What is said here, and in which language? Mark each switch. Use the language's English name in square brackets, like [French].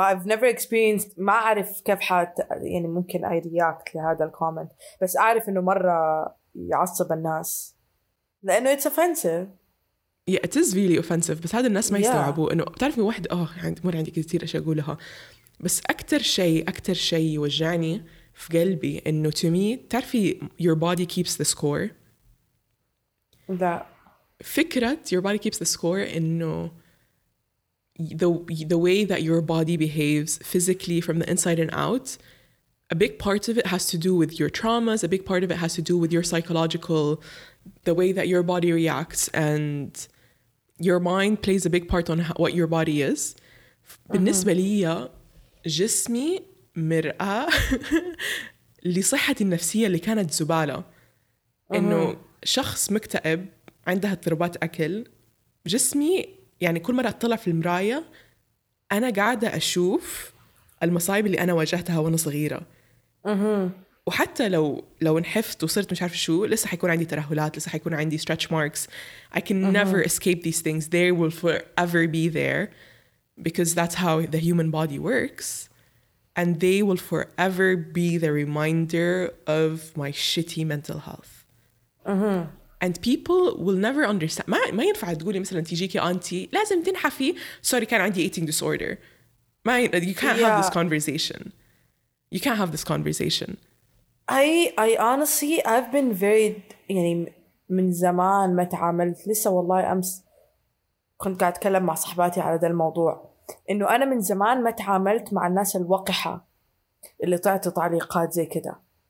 [English] I've never experienced, [Arabic] ما أعرف كيف حات يعني ممكن [English] I react [Arabic] لهذا الكومنت, بس أعرف إنه مرة يعصب الناس لأنه [English] it's offensive. Yeah, it is really offensive. [Arabic] بس هذا الناس ما يستوعبوا إنه بتعرفي واحد مر عندي كثير أشياء أقولها. بس أكتر شيء يوجعني في قلبي إنه [English] to me [Arabic] تعرفي [English] your body keeps the score. [Arabic] لا. فكرة [English] your body keeps the score إنه the way that your body behaves physically from the inside and out, a big part of it has to do with your traumas, a big part of it has to do with your psychological, the way that your body reacts, and your mind plays a big part on what your body is. [Arabic] بالنسبة لي جسمي مرآة لصحتي النفسية اللي كانت زبالة. إنه شخص مكتئب عندها اضطرابات أكل, جسمي يعني كل مرة أطلع في المراية أنا قاعدة أشوف المصايب اللي أنا واجهتها وأنا صغيرة. وحتى لو نحفت وصرت مش عارف شو, لسه حيكون عندي ترهلات, لسه حيكون عندي [English] stretch marks. I can never escape these things. They will forever be there because that's how the human body works, and they will forever be the reminder of my shitty mental health. And people will never understand. [Arabic] ما ينفع تقولي مثلا تيجيكي أنتي لازم تنحفي, [English] sorry [Arabic] كان عندي [English] eating disorder. You can't have this conversation. You can't have this conversation. I honestly, I've been very, [Arabic] يعني من زمان ما تعاملت, لسه والله أمس كنت قاعد أتكلم مع صحباتي على ده الموضوع, إنه أنا من زمان ما تعاملت مع الناس الوقحة اللي تعطي تعليقات زي كده.